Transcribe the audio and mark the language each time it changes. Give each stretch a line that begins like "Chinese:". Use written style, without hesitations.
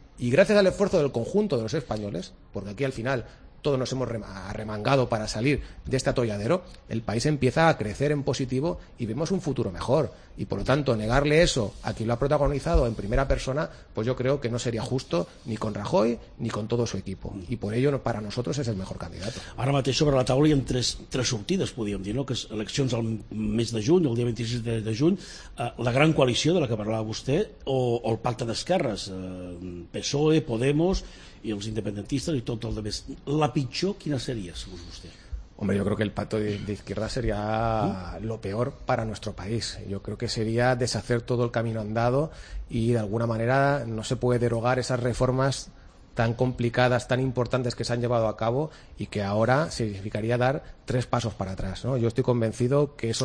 Spanish: Y gracias al esfuerzo del conjunto de los españoles, porque aquí al final todos nos hemos arremangado para salir de este atolladero, el país empieza a crecer en positivo y vemos un futuro mejor. Y por lo tanto, negarle eso a quien lo ha protagonizado en primera persona, pues yo creo que no sería justo ni con Rajoy ni con todo su equipo. Y por ello, para nosotros es el mejor candidato.
Catalan: Ara mateix, sobre la taula hi ha tres sortides, podríem dir, no? Que és eleccions al mes de juny, el dia 26 de juny, la gran coalició de la que parlava vostè, o el pacte d'esquerres, PSOE, Podemos i els independentistes i tot el de més. La pitjor, quina seria, segons vostè?
Spanish: Hombre, yo creo que el pacto de izquierda sería lo peor para nuestro país. Yo creo que sería deshacer todo el camino andado y, de alguna manera, no se puede derogar esas reformas tan complicadas, tan importantes que se han llevado a cabo y que ahora significaría dar tres pasos para atrás, ¿no? Yo estoy convencido que eso...